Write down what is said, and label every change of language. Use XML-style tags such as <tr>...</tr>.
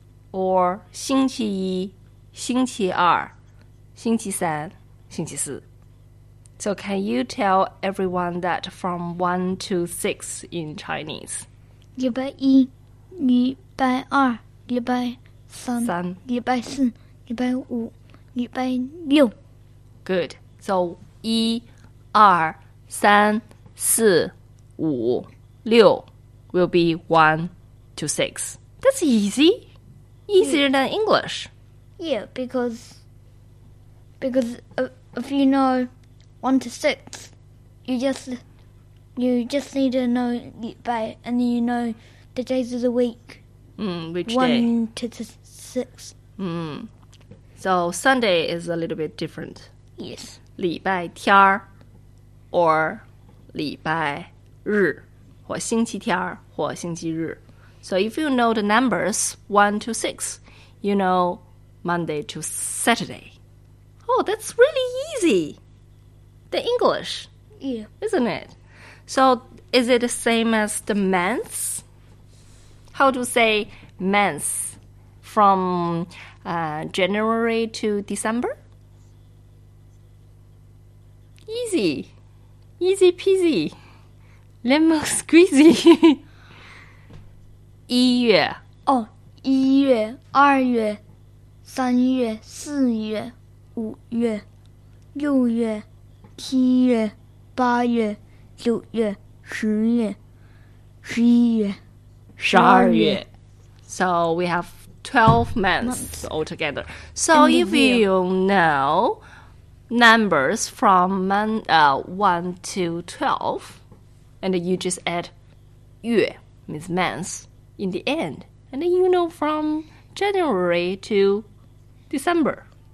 <en>Or</en> <zh>星期一,星期二,星期三,星期四.</zh> <en>So can you tell everyone that from 1 to 6 in Chinese?</en> <zh>礼拜一,礼拜二,礼拜 三, 礼拜四, 礼拜五, 礼拜六.</zh> <en>Good. So,</en> <zh>一, 二, 三, 四, 五, 六</zh> <en>will be 1 to 6. That's easy. Easier than English. Yeah, because if you know 1 to 6, you just need to know 礼拜, and then you know the days of the week. Which day? 1 to 6. So Sunday is a little bit different. Yes.</en> <zh>礼拜天</zh> <en>or</en> <zh>礼拜日 或 星期天 或 星期日.</zh> <en>So if you know the numbers 1 to 6, you know Monday to Saturday. Oh, that's really easy. The English. Yeah. Isn't it? So is it the same as the months? How to say months from January to December? Easy. Easy peasy. Lemon squeezy.</en> <zh>一月. Oh, 一月, 二月, 三月, 四月, 五月, 六月, 七月, 八月, 九月, 十月, 十一月. 12月.</zh> <en>So we have 12 months altogether. So if you know numbers from 1 to 12, and you just add 月, means months, in the end, and then you know from January to December.</en>